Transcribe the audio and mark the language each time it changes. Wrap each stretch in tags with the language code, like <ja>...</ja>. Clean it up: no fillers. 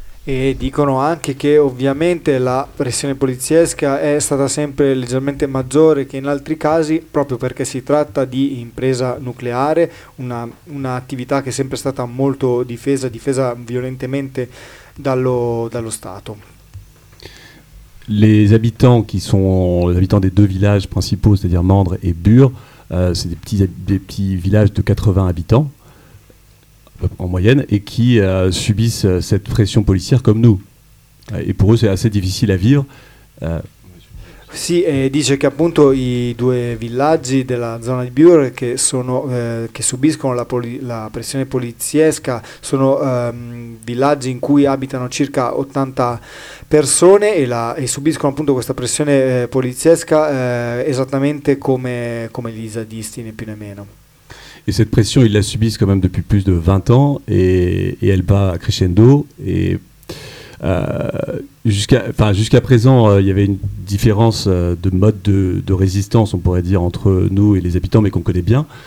<it>E dicono anche che ovviamente la pressione poliziesca è stata sempre leggermente maggiore che in altri casi, proprio perché si tratta di impresa nucleare, un'attività che è sempre stata molto difesa violentemente dallo Stato.</it> <fr>Les habitants qui sont les habitants des deux villages principaux, c'est-à-dire Mandre et Bure, c'est des petits villages de 80 habitants en moyenne et qui subissent cette pression policière comme nous. Et pour eux, c'est assez difficile à vivre.</fr> <it>Sì, dice che appunto i due villaggi della zona di Bure che subiscono la pressione poliziesca sono villaggi in cui abitano circa 80 persone e subiscono appunto questa pressione poliziesca esattamente come gli zadisti, né più né meno.</it> <fr>Et cette pression, ils la subissent quand même depuis plus de 20 ans et elle bat crescendo. Jusqu'à présent, il y avait une différence de mode de résistance, on pourrait dire, entre nous et les habitants, mais qu'on connaît bien.</fr>